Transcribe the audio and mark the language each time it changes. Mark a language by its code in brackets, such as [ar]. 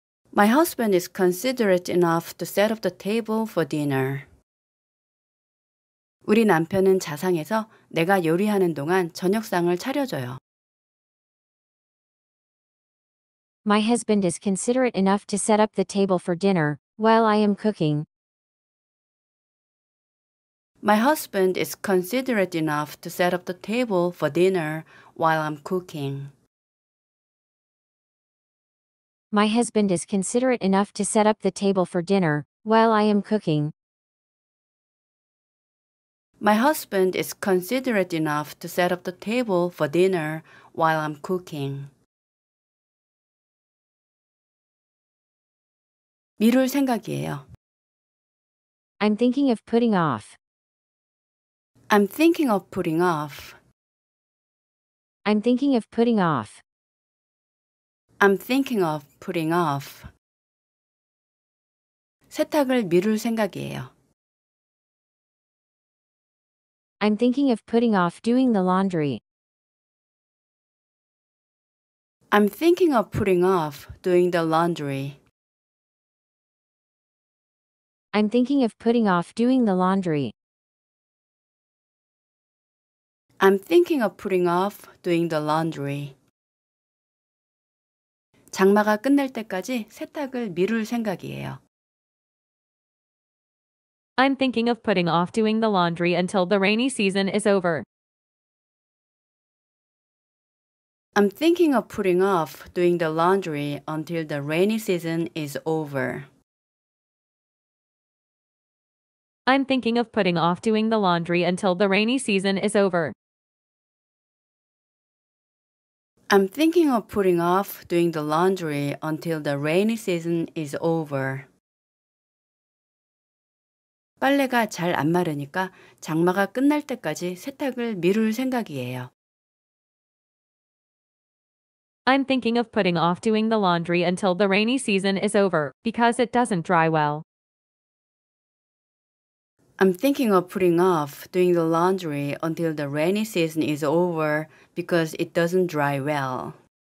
[en] My husband is considerate enough to set up the table for dinner. [ko] 우리 남편은 자상해서 내가 요리하는 동안 저녁상을 차려줘요. [en] My husband is considerate enough to set up the table for dinner while I am cooking. My husband is considerate enough to set up the table for dinner while I'm cooking. My husband is considerate enough to set up the table for dinner while I am cooking. My husband is considerate enough to set up the table for dinner while I'm cooking. [ko] 미룰 생각이에요. [en] I'm thinking of putting off. I'm thinking of putting off. I'm thinking of putting off. I'm thinking of putting off. [ko] 세탁을 미룰 생각이에요. [en] I'm thinking of putting off doing the laundry. I'm thinking of putting off doing the laundry. I'm thinking of putting off doing the laundry. I'm thinking of putting off doing the laundry. [ko] 장마가 끝날 때까지 세탁을 미룰 생각이에요. [en] I'm thinking of putting off doing the laundry until the rainy season is over. I'm thinking of putting off doing the laundry until the rainy season is over. I'm thinking of putting off doing the laundry until the rainy season is over. I'm thinking of putting off doing the laundry until the rainy season is over. [ko] 빨래가 잘 안 마르니까 장마가 끝날 때까지 세탁을 미룰 생각이에요. [en] I'm thinking of putting off doing the laundry until the rainy season is over because it doesn't dry well. I'm thinking of putting off doing the laundry until the rainy season is over because it doesn't dry well.